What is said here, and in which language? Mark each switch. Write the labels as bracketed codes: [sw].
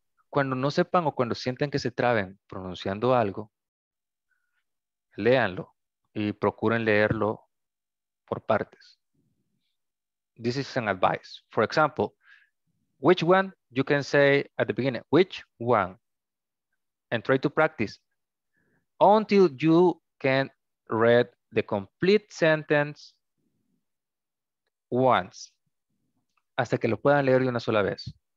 [es] Cuando no sepan o cuando sienten que se traben pronunciando algo, léanlo y procuren leerlo por partes. [en] This is an advice. For example, which one? You can say at the beginning, which one? And try to practice until you can read the complete sentence once. [es] Hasta que lo puedan leer de una sola vez.